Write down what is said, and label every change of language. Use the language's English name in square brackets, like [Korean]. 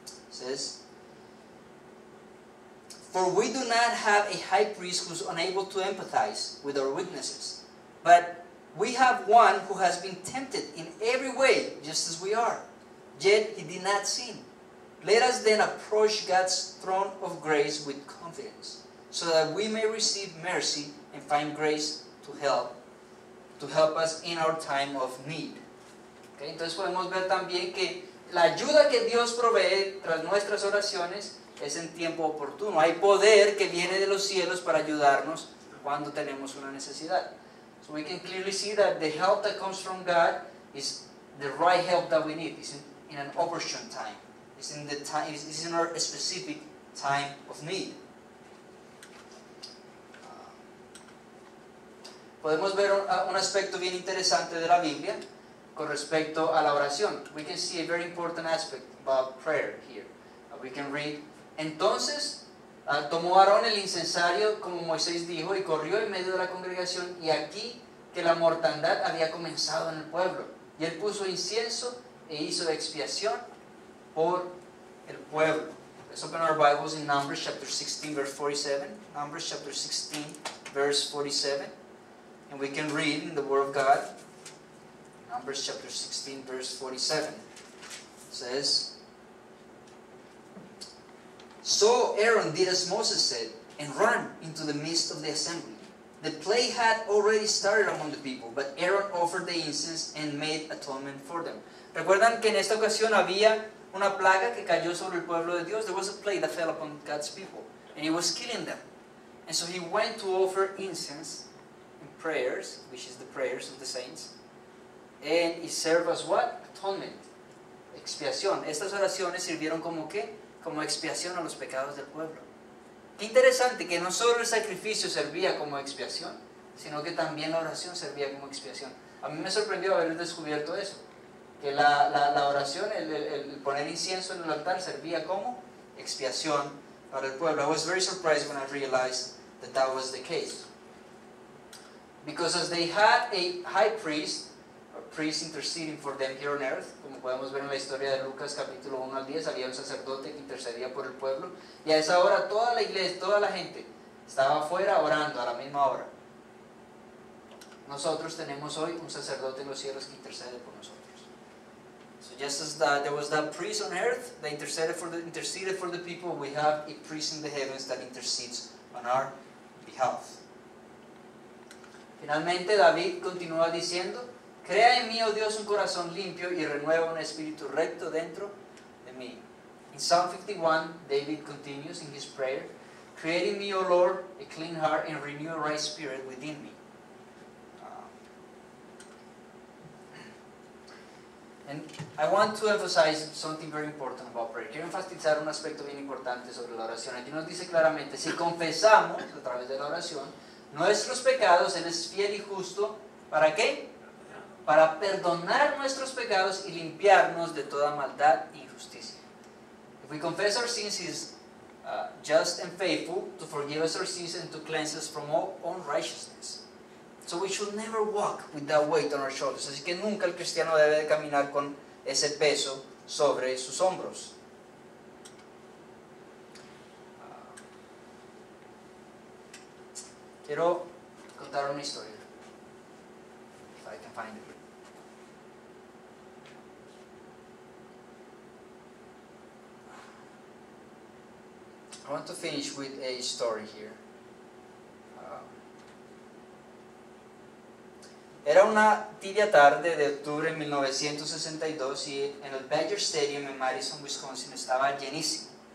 [English] Says, for we do not have a high priest who is unable to empathize with our weaknesses, but we have one who has been tempted in every way just as we are, yet he did not sin. Let us then approach God's throne of grace with confidence, so that we may receive mercy and find grace to help us in our time of need. [Spanish] Okay, entonces podemos ver también que la ayuda que Dios provee tras nuestras oraciones es en tiempo oportuno. Hay poder que viene de los cielos para ayudarnos cuando tenemos una necesidad. [English] So we can clearly see that the help that comes from God is the right help that we need. It's in an opportune time. It's in the time. It's in our specific time of need. [Spanish] Podemos ver un aspecto bien interesante de la Biblia con respecto a la oración. [English] We can see a very important aspect about prayer here. We can read, [Spanish] entonces tomó Aarón el incensario, como Moisés dijo, y corrió en medio de la congregación, y aquí que la mortandad había comenzado en el pueblo. Y él puso incienso e hizo expiación por el pueblo. [English] Let's open our Bibles in Numbers chapter 16, verse 47. Numbers chapter 16, verse 47. And we can read in the Word of God. Numbers chapter 16, verse 47. It says, so Aaron did as Moses said, and ran into the midst of the assembly. The plague had already started among the people, but Aaron offered the incense and made atonement for them. [Spanish] Recuerdan que en esta ocasión había una plaga que cayó sobre el pueblo de Dios. [English] There was a plague that fell upon God's people, and it was killing them. And so he went to offer incense and prayers, which is the prayers of the saints, and it served as what? [Spanish] Atonement. Expiación. Estas oraciones sirvieron como qué? Como expiación a los pecados del pueblo. Qué interesante que no solo el sacrificio servía como expiación, sino que también la oración servía como expiación. A mí me sorprendió haber descubierto eso, que la oración, el poner incienso en el altar, servía como expiación para el pueblo. [English] I was very surprised when I realized that that was the case. Because as they had a high priest, priest interceding for them here on earth, [Spanish] como podemos ver en la historia de Lucas capítulo 1 al 10, había un sacerdote que intercedía por el pueblo, y a esa hora toda la iglesia, toda la gente estaba afuera orando a la misma hora. Nosotros tenemos hoy un sacerdote en los cielos que intercede por nosotros. [English] So just as that, there was that priest on earth that interceded for the people, we have a priest in the heavens that intercedes on our behalf. [Spanish] Finalmente David continúa diciendo, crea en mí, oh Dios, un corazón limpio y renueva un espíritu recto dentro de mí. [English] In Psalm 51, David continues in his prayer, create in me, oh Lord, a clean heart and renew a right spirit within me. And I want to emphasize something very important about prayer. [Spanish] Quiero enfatizar un aspecto bien importante sobre la oración. Aquí nos dice claramente, si confesamos a través de la oración nuestros pecados, Él es fiel y justo, ¿para qué? Para perdonar nuestros pecados y limpiarnos de toda maldad e injusticia. [English] If we confess our sins, He is just and faithful to forgive us our sins and to cleanse us from all unrighteousness. So we should never walk with that weight on our shoulders. [Spanish] Así que nunca el cristiano debe de caminar con ese peso sobre sus hombros. Quiero contar una historia. [English] If I can find it. I want to finish with a story here. [Spanish] Era una tibia tarde de octubre de 1962 y en el Badger Stadium en Madison, Wisconsin, estaba llenísimo.